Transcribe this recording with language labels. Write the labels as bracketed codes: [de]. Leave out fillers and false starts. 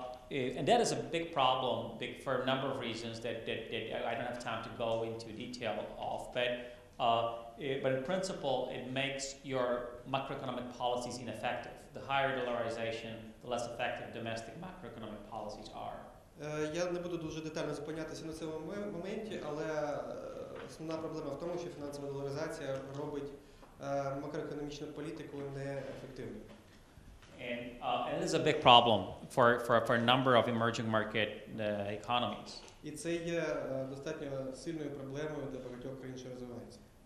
[en] And that is a big problem for a number of reasons that I don't have time to go into detail of, but in principle it makes your macroeconomic policies ineffective. The higher dollarization, the less effective domestic macroeconomic policies are. [uk] Я не буду дуже детально зупинятися на цьому моменті, але основна проблема в тому, що фінансова доларизація робить макроекономічну політику неефективною. [en] And this is a big problem for a number of emerging market economies. [uk] І це є достатньо сильною проблемою для багатьох країн, що розвиваються.